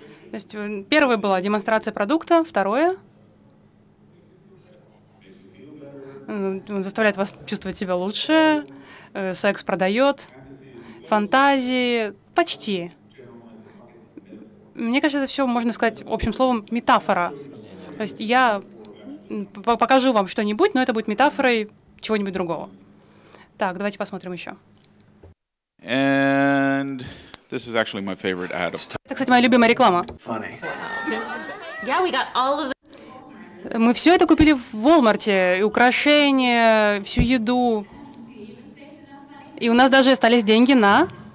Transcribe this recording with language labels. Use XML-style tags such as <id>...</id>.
<ru>То есть первое была демонстрация продукта, второе он заставляет вас чувствовать себя лучше, секс продает, фантазии, почти. Мне кажется, это все можно сказать общим словом метафора. То есть я покажу вам что-нибудь, но это будет метафорой чего-нибудь другого. Так, давайте посмотрим еще.</ru> <en>And this is actually my favorite ad.</en> <ru>Это, кстати, моя любимая реклама.</ru> <en>Funny. Yeah, we got all of the...</en> <ru>Мы все это купили в Walmart'е, и украшения, всю еду. И у нас даже остались деньги на...</ru>